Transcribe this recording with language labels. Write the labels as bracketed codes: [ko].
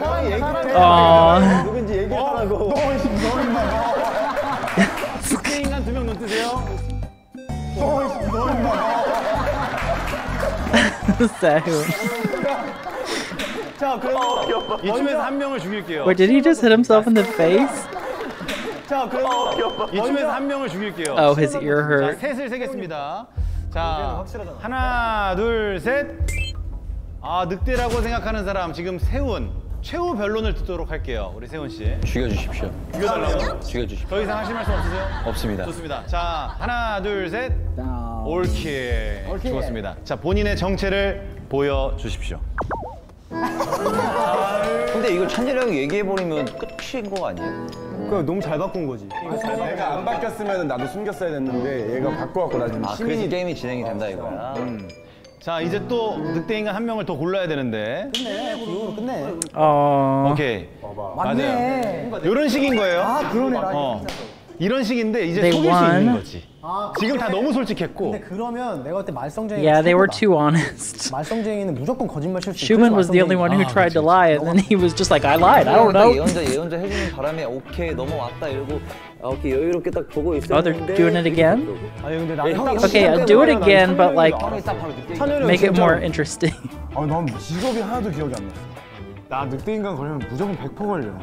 [ko] 형이 얘기해. 누군지 얘기하라고. 너 임마 너. 늑대인간 두 명 눈 뜨세요. 너 임마 너. 세훈. 자 그래서 이쯤에서 한 명을 죽일게요. [en] Wait, did he just hit himself in the face? [ko] 자 그럼 이쯤에서 한 명을 죽일게요. [en] Oh, his ear hurt. [ko] 자 셋을 세겠습니다. 자 하나 둘 셋. 아 늑대라고 생각하는 사람 지금 세훈 최후 변론을 듣도록 할게요. 우리 세훈 씨 죽여주십시오. 죽여달라고. 죽여주십시오. 더 이상 하실 말씀 없으세요? 없습니다. 좋습니다. 자 하나 둘 셋. 올킬. 죽었습니다. 자 본인의 정체를 보여주십시오. 근데 이거 천재라고 얘기해버리면 끝인 거 아니에요? 그러니까 너무 잘 바꾼 거지. 내가 안 바뀌었으면 나도 숨겼어야 됐는데 얘가 바꿔갖고 나 지금 시민이... 아, 그래서 게임이 진행이 된다 이거야. 자 이제 또 늑대인간 한 명을 더 골라야 되는데. 끝내. 이거로 끝내. 오케이. 봐봐. 맞네. 이런 식인 거예요. 아 그러네. 이런 식인데 이제 속일 수 있는 거지. 아, 지금 다 너무 솔직했고. 근데 그러면 내가 그때 말썽쟁이. [en] Yeah, they were too honest. [ko] 말썽쟁이는 무조건 거짓말 칠 수 있어. [en] Schumann was the only one who tried to lie, and then he was just like, I lied. I don't know. [ko] 예언자 해주는 바람에 오케이 넘어왔다 이러고. 오케이 여유롭게 딱 보고 있어. [en] Oh, they're doing it again. [ko] 아니 근데 나는 [en] okay, I'll do it again, but like make it more interesting. [ko] 아, 난 직업이 하나도 기억이 안 나. 나 늑대인간 걸리면 무조건 100% 걸려.